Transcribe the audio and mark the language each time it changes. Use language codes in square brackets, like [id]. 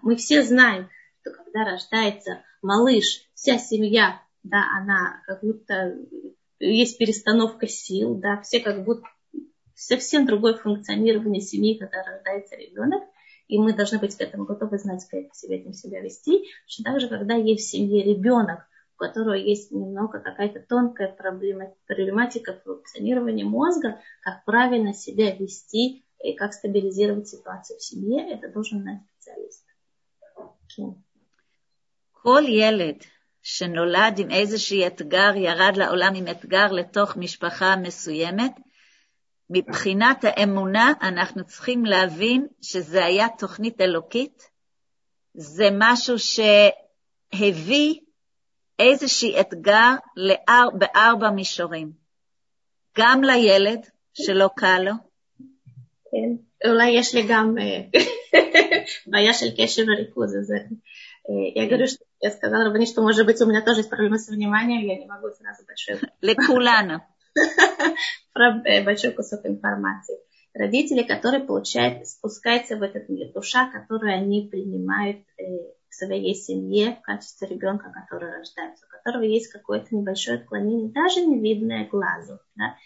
[ru] Мы все знаем, что когда рождается малыш, вся семья, да, она как будто есть перестановка сил, да, все как будто совсем другое функционирование семьи, когда рождается ребенок, и мы должны быть к этому готовы, знать, как этим себя вести. Точно так же, когда есть в семье ребенок, у которого есть немного какая-то тонкая проблематика функционирования мозга, как правильно себя вести и как стабилизировать ситуацию в семье, это должен знать специалист. [he] כל ילד שנולד עם איזשהו אתגר ירד לעולם עם אתגר לתוך משפחה מסוימת, מבחינת האמונה אנחנו צריכים להבין שזה היה תוכנית אלוקית, זה משהו שהביא איזשהו אתגר בארבע מישורים, גם לילד שלא קל לו. כן, אולי יש לי גם בעיה של קשב וריכוז הזה. [ru] Я говорю, что я сказала Рабани, что, может быть, у меня тоже есть проблемы с вниманием, я не могу сразу большой... Лекулана. большой кусок информации. Родители, которые получают, спускаются в этот мир, душа, которую они принимают в своей семье в качестве ребенка, который рождается, у которого есть какое-то небольшое отклонение, даже не видное глазу. Да?